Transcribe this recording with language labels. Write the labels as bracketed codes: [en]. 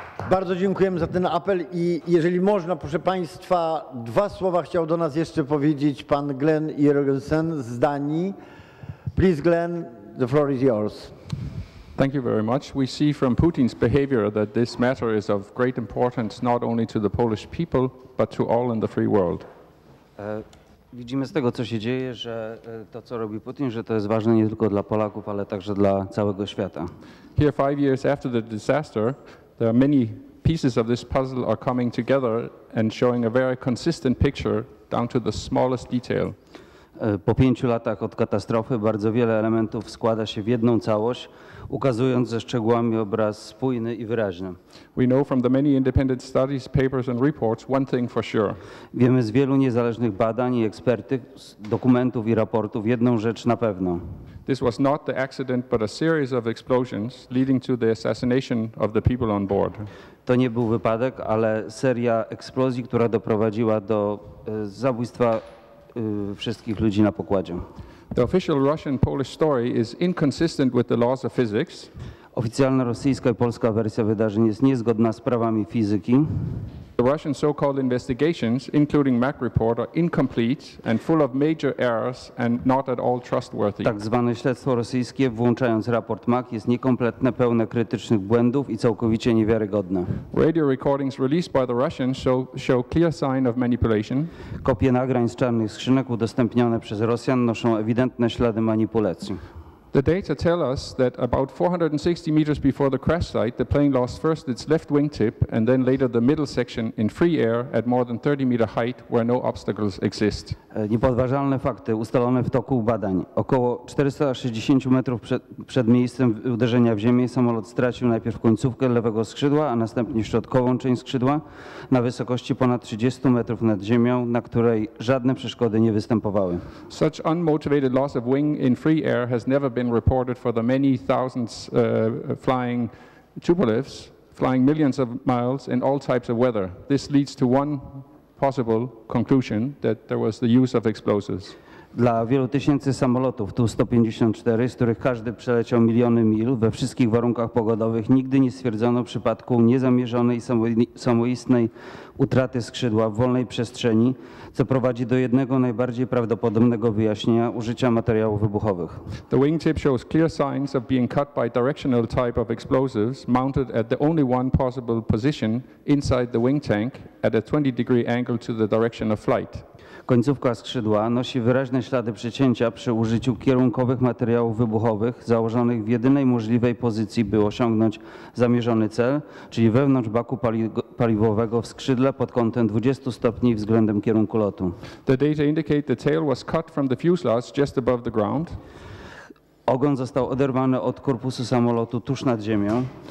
[pl] Bardzo dziękujemy za ten apel i jeżeli można, proszę Państwa, dwa słowa chciał do nas jeszcze powiedzieć pan Glenn Jørgensen z Danii. [en] Please, Glenn, the floor is yours. Thank you very much. We see from Putin's behavior that this matter is of great importance not only to the Polish people, but to all in the free world. [pl] Widzimy z tego, co się dzieje, że to, co robi Putin, że to jest ważne nie tylko dla Polaków, ale także dla całego świata. [en] Here, 5 years after the disaster, there are many pieces of this puzzle are coming together and showing a very consistent picture down to the smallest detail. [pl] Po 5 latach od katastrofy bardzo wiele elementów składa się w jedną całość, ukazując ze szczegółami obraz spójny i wyraźny. [en] We know from the many independent studies, papers and reports one thing for sure. [pl] Wiemy z wielu niezależnych badań i ekspertów, dokumentów i raportów jedną rzecz na pewno. [en] This was not the accident, but a series of explosions leading to the assassination of the people on board. [pl] To nie był wypadek, ale seria eksplozji, która doprowadziła do zabójstwa wszystkich ludzi na pokładzie. [en] The official Russian-Polish story is inconsistent with the laws of physics. [pl] Oficjalna rosyjska i polska wersja wydarzeń jest niezgodna z prawami fizyki. [en] The Russian so-called investigations, including MAC report, are incomplete and full of major errors and not at all trustworthy. [pl] Tak zwane śledztwo rosyjskie, włączając raport MAC, jest niekompletne, pełne krytycznych błędów i całkowicie niewiarygodne. [en] Radio recordings released by the Russians show clear sign of manipulation. [pl] Kopie nagrań z czarnych skrzynek udostępnione przez Rosjan noszą ewidentne ślady manipulacji. [en] The data tell us that about 460 meters before the crash site, the plane lost first its left wingtip and then later the middle section in free air at more than 30 meter height where no obstacles exist. [pl] Niepodważalne fakty ustalone w toku badań. Około 460 metrów przed miejscem uderzenia w ziemię samolot stracił najpierw końcówkę lewego skrzydła, a następnie środkową część skrzydła na wysokości ponad 30 metrów nad ziemią, na której żadne przeszkody nie występowały. [en] Such unmotivated loss of wing in free air has never been reported for the many thousands flying Tupolevs, flying millions of miles in all types of weather. This leads to one possible conclusion that there was the use of explosives. [pl] Dla wielu tysięcy samolotów Tu-154, z których każdy przeleciał miliony mil, we wszystkich warunkach pogodowych nigdy nie stwierdzono przypadku niezamierzonej, samoistnej utraty skrzydła w wolnej przestrzeni, co prowadzi do jednego najbardziej prawdopodobnego wyjaśnienia użycia materiałów wybuchowych. [en] The wingtip shows clear signs of being cut by directional type of explosives mounted at the only one possible position inside the wing tank at a 20 degree angle to the direction of flight. [pl] Końcówka skrzydła nosi wyraźne ślady przecięcia przy użyciu kierunkowych materiałów wybuchowych założonych w jedynej możliwej pozycji, by osiągnąć zamierzony cel, czyli wewnątrz baku paliwowego w skrzydle pod kątem 20 stopni względem kierunku lotu. [en] The data indicate the tail was cut from the fuselage just above the ground. [pl] Ogon został oderwany od korpusu samolotu tuż nad ziemią.